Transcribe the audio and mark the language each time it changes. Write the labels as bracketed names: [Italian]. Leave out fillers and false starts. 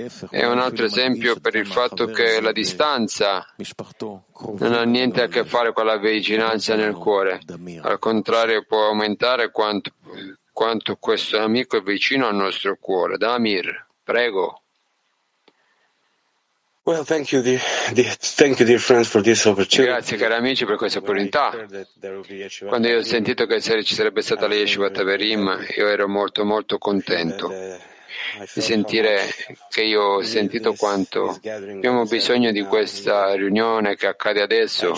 [Italian] È un altro esempio per il fatto che la distanza non ha niente a che fare con la vicinanza nel cuore, al contrario può aumentare quanto questo amico è vicino al nostro cuore. Damir, prego. [English] Well, thank you dear friends for this opportunity. [Italian] Grazie cari amici per questa opportunità. Quando io ho sentito che ci sarebbe stata la Yeshiva Taverim, io ero molto molto contento di sentire che io ho sentito quanto abbiamo bisogno di questa riunione che accade adesso.